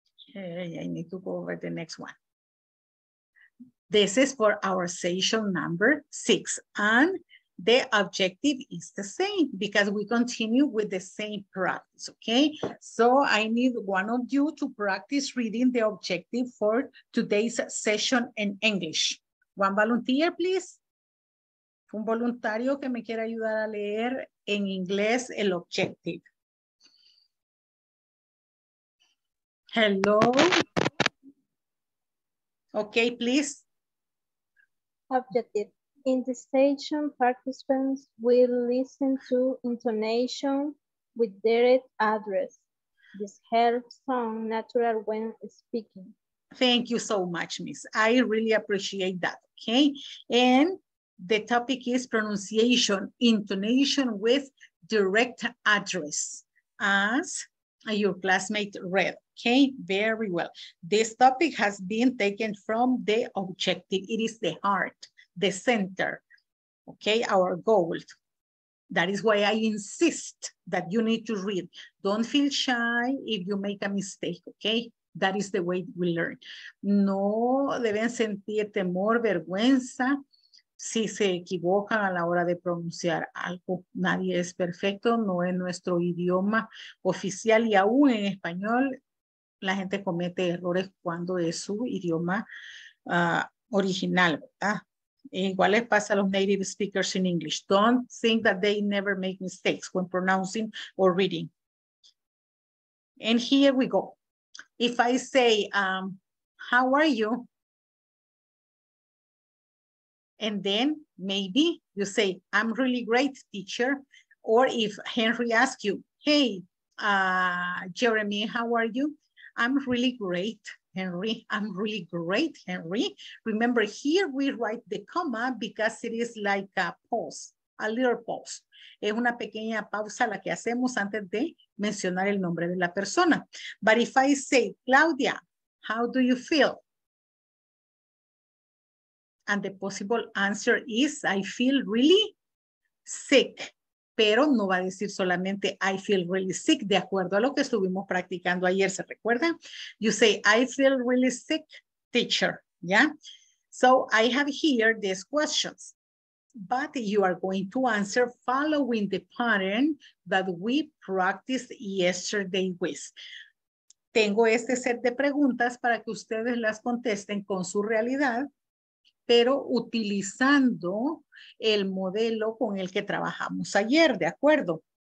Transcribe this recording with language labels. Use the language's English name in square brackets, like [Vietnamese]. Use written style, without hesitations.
[English] Okay, I need to go over the next one. This is for our session number 6. And the objective is the same because we continue with the same practice. Okay, so I need one of you to practice reading the objective for today's session in English. One volunteer, please. [Spanish] Un voluntario que me quiera ayudar a leer en inglés el objective. [English] Hello. Okay, please. Objective. In the session, participants will listen to intonation with direct address. This helps sound natural when speaking. Thank you so much, Miss. I really appreciate that. Okay. And the topic is pronunciation, intonation with direct address, as your classmate read. Okay, very well. This topic has been taken from the objective. It is the heart, the center. Okay, our goal. That is why I insist that you need to read. Don't feel shy if you make a mistake, okay? That is the way we learn. [Spanish] No deben sentir temor, vergüenza, si se equivocan a la hora de pronunciar algo. Nadie es perfecto, no es nuestro idioma oficial, y aún en español la gente comete errores cuando es su idioma original, ¿verdad? Igual les pasa a los [English] native speakers in English. Don't think that they never make mistakes when pronouncing or reading. And here we go. If I say, how are you? And then maybe you say, I'm really great, teacher. Or if Henry asks you, hey, Jeremy, how are you? I'm really great, Henry. I'm really great, Henry. Remember, here we write the comma because it is like a pause, a little pause. [Spanish] Es una pequeña pausa la que hacemos antes de mencionar el nombre de la persona. [English] But if I say, Claudia, how do you feel? And the possible answer is, I feel really sick. [Spanish] Pero no va a decir solamente, [English] I feel really sick, [Spanish] de acuerdo a lo que estuvimos practicando ayer, ¿se recuerdan? [English] You say, I feel really sick, teacher, [Spanish] ¿ya? [English] So I have here these questions, but you are going to answer following the pattern that we practiced yesterday with. [Spanish] Tengo este set de preguntas para que ustedes las contesten con su realidad, pero utilizando el modelo con el que trabajamos ayer, ¿de acuerdo?